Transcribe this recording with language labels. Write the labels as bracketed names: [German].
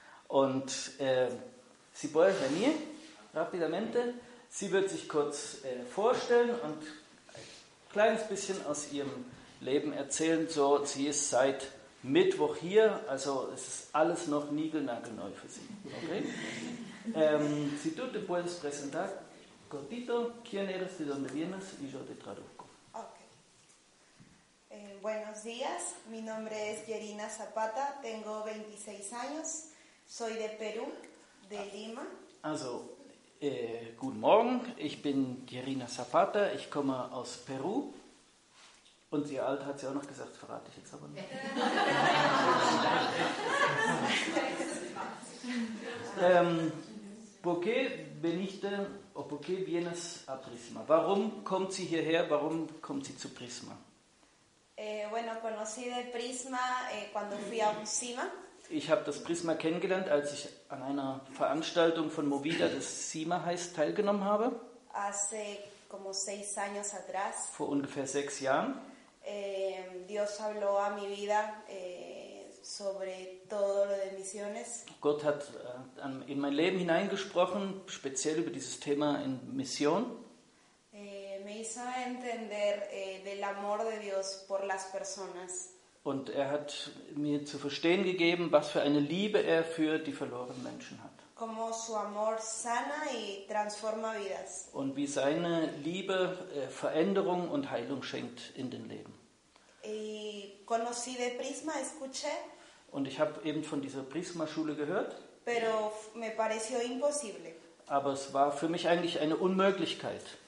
[German] Und Sibol Janir, rapidamente, sie wird sich kurz vorstellen und ein kleines bisschen aus ihrem Leben erzählen. So, sie ist seit Mittwoch hier, also es ist alles noch niegelnagelneu für sie. Okay? [Spanish] Si tú te puedes presentar cortito, ¿quién eres, de dónde vienes? Y yo te traduzco. Okay. Buenos días, mi nombre es Yerina Zapata, tengo 26 años, soy de Perú, de Lima. [German] Also, guten Morgen, ich bin Yerina Zapata, ich komme aus Peru. Und ihr Alter hat sie auch noch gesagt, verrate ich jetzt aber nicht. [Spanish] ¿Por qué veniste o por qué vienes a Prisma? [German] Warum kommt sie hierher? Warum kommt sie zu Prisma? [Spanish] Bueno, conocí de Prisma cuando fui a Cima. [German] Ich habe das Prisma kennengelernt, als ich an einer Veranstaltung von Movida, das Cima heißt, teilgenommen habe. [Spanish] Hace como 6 años atrás. [German] Vor ungefähr 6 Jahren. [Spanish] Dios habló a mi vida sobre todo lo de misiones. [German] Gott hat in mein Leben hineingesprochen, speziell über dieses Thema in Mission. [Spanish] Me hizo entender del amor de Dios por las personas. [German] Und er hat mir zu verstehen gegeben, was für eine Liebe er für die verlorenen Menschen hat. [Spanish] Como su amor sana y transforma vidas. [German] Und wie seine Liebe Veränderung und Heilung schenkt in den Leben. [Spanish] Y conocí de Prisma, escuché. [German] Und ich habe eben von dieser Prisma-Schule gehört. [Spanish] Pero me pareció imposible. [German] Aber es war für mich eigentlich eine Unmöglichkeit.